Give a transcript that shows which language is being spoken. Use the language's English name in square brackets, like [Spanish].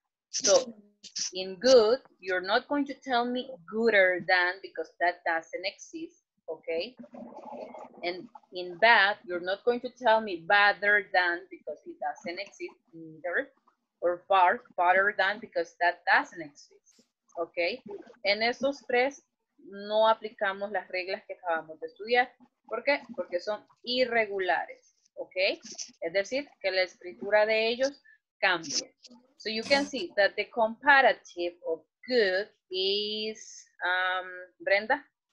[English] So in good, you're not going to tell me gooder than because that doesn't exist. Okay, and in bad, you're not going to tell me better than because it doesn't exist either, or far, farther than because that doesn't exist. [Spanish] Okay, en esos tres no aplicamos las reglas que acabamos de estudiar. ¿Por qué? Porque son irregulares. Okay, es decir, que la escritura de ellos cambia. [English] So you can see that the comparative of good is, Brenda?